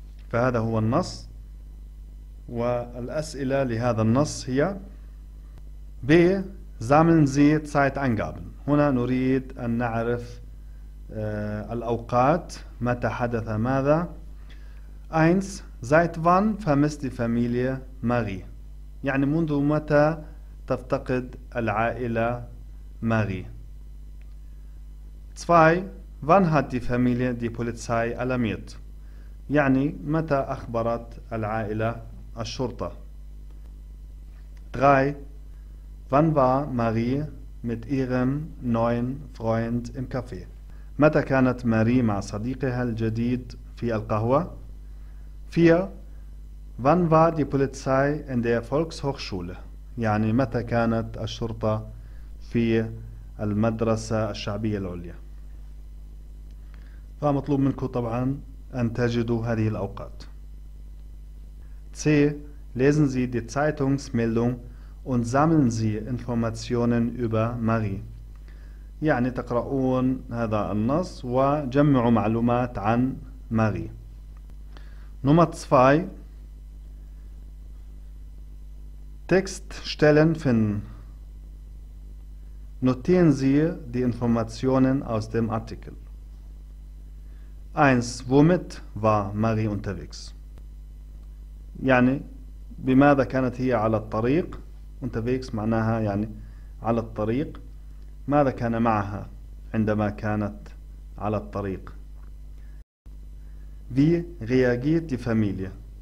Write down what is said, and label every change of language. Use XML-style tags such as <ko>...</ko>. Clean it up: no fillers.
<ar>فهذا هو النص والأسئلة لهذا النص هي:</ar> <de>Sammeln Sie Zeitangaben.</de> <ar>هنا نريد أن نعرف الأوقات. متى حدث ماذا؟ 1.</ar> <de>Seit wann vermisst die Familie Marie?</de> <ar>يعني منذ متى تفتقد العائلة ماري؟ 2.</ar> <de>Wann hat die Familie die Polizei alarmiert?</de> <ar>يعني متى أخبرت العائلة الشرطة؟ 3.</ar> <de>Wann war Marie mit ihrem neuen Freund im Café?</de> <ar>متى كانت ماري مع صديقها الجديد في القهوة؟ 4.</ar> <de>Wann war die Polizei in der Volkshochschule?</de> <ar>يعني متى كانت الشرطة في المدرسة الشعبية العليا؟ فمطلوب منكم طبعا أن تجدوا هذه الأوقات.</ar> <de>C. Lesen Sie die Zeitungsmeldung und sammeln Sie Informationen über Marie.</de> <ar>يعني تقرؤون هذا النص وجمعوا معلومات عن ماري.</ar> <de>Nummer 2. Textstellen finden. Notieren Sie die Informationen aus dem Artikel. 1. Womit war Marie unterwegs?</de> <ar>يعني بماذا كانت هي على الطريق؟ Unterwegs معناها يعني على الطريق. ماذا كان معها عندما كانت على الطريق؟</ar> <de>Wie reagiert die Familie?</de>